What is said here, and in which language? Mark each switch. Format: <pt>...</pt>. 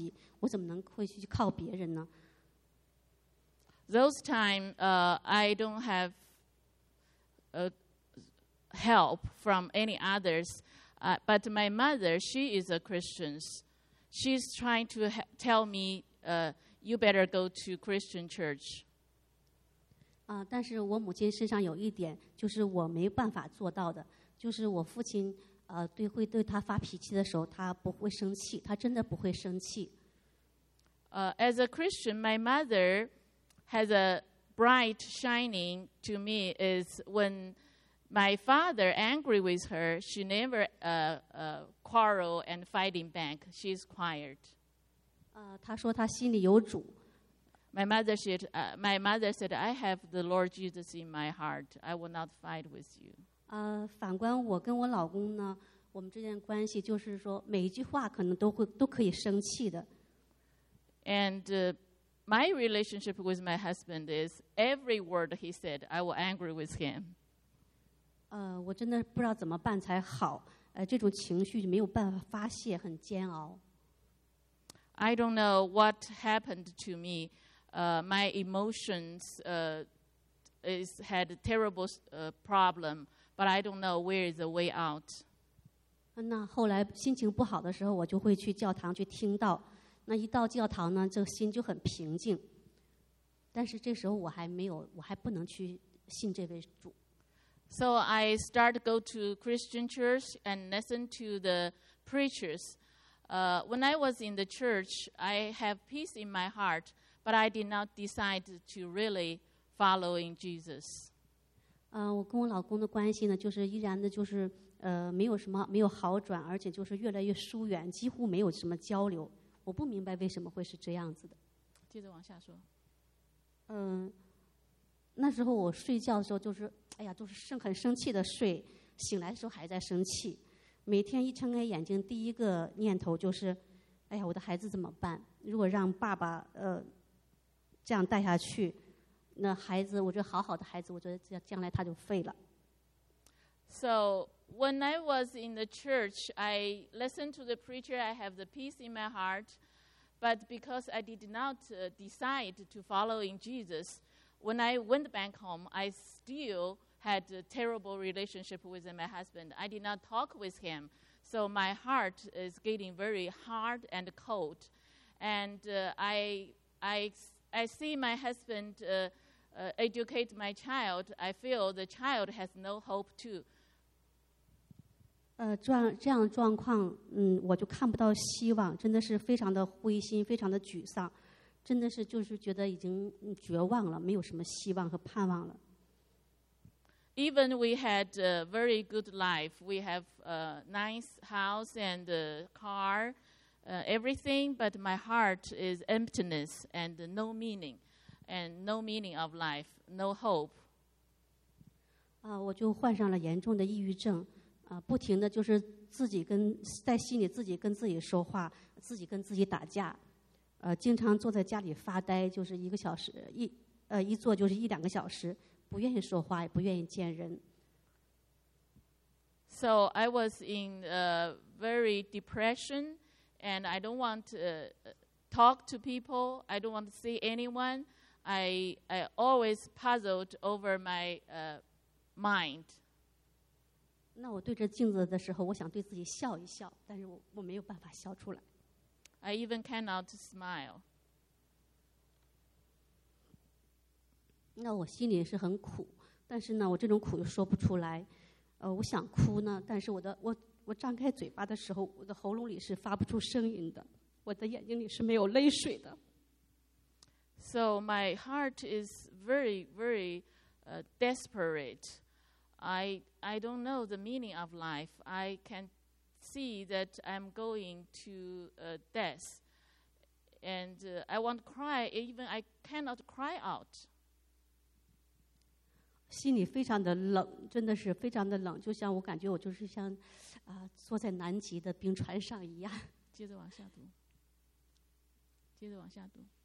<zh>那时候我母亲她信主已经很多年了，她一直想带我去信主，但是从我们的人生的这个信条来说，我们凡事都是靠自己，我怎么能会去靠别人呢？</zh> <en>Those time, I don't have help from any others, but my mother, she is a Christian. She's trying to tell me, you better go to Christian church.</en> <zh>但是我母亲身上有一点，就是我没办法做到的，就是我父亲，对，会对他发脾气的时候，他不会生气，他真的不会生气。</zh> <en>As a Christian, my mother has a bright shining to me is when My father angry with her. She never quarrel and fighting back. She's quiet.</en> <zh>她说她心里有主。</zh> <en>My mother said, I have the Lord Jesus in my heart. I will not fight with you.</en> <zh>反观我跟我老公呢，我们之间关系就是说，每一句话可能都可以生气的。</zh> <en>And my relationship with my husband is every word he said, I will angry with him.</en> <zh>我真的不知道怎么办才好。这种情绪没有办法发泄，很煎熬。</zh> <en>I don't know what happened to me. My emotions had a terrible problem, but I don't know where is the way out.</en> <zh>那后来心情不好的时候，我就会去教堂去听到。那一到教堂呢，这心就很平静。但是这时候我还不能去信这位主。</zh> <en>So I start to go to Christian church and listen to the preachers. When I was in the church, I have peace in my heart, but I did not decide to really follow in Jesus.</en> <zh>我跟我老公的关系呢，就是依然的就是没有什么没有好转，而且就是越来越疏远，几乎没有什么交流。我不明白为什么会是这样子的。接着往下说。那时候我睡觉的时候就是，哎呀，都是很生气的睡，醒来的时候还在生气。每天一睁开眼睛，第一个念头就是，哎呀，我的孩子怎么办？如果让爸爸这样带下去，那孩子，我觉得好好的孩子，我觉得将来他就废了。</zh> <en>So when I was in the church, I listened to the preacher. I have the peace in my heart, but because I did not decide to follow in Jesus. When I went back home, I still had a terrible relationship with my husband. I did not talk with him. So my heart is getting very hard and cold. And I see my husband educate my child. I feel the child has no hope too.</en> <zh>这样状况，我就看不到希望，真的是非常的灰心，非常的沮丧。真的是就是觉得已经绝望了，没有什么希望和盼望了。</zh> <en>Even we had a very good life, we have a nice house and a car, everything, but my heart is emptiness and no meaning of life, no hope.</en> <zh>我就患上了严重的抑郁症，不停的就是自己跟在心里自己跟自己说话，自己跟自己打架。经常坐在家里发呆，就是一个小时，一坐就是一两个小时，不愿意说话，也不愿意见人。</zh> <en>So I was in a very depression, and I don't want to talk to people. I don't want to see anyone. I always puzzled over my mind.</en> <zh>那我对着镜子的时候，我想对自己笑一笑，但是我没有办法笑出来。</zh> <en>I even cannot smile.</en> <zh>那我心里是很苦，但是呢，我这种苦又说不出来。我想哭呢，但是我张开嘴巴的时候，我的喉咙里是发不出声音的，我的眼睛里是没有泪水的。</zh> <en>So my heart is very, very, desperate. I don't know the meaning of life. I can't. See that I'm going to death, and I won't cry. Even I cannot cry out.</en> <zh>心里非常的冷，真的是非常的冷，就像我感觉我就是像，坐在南极的冰川上一样。接着往下读。接着往下读。</zh>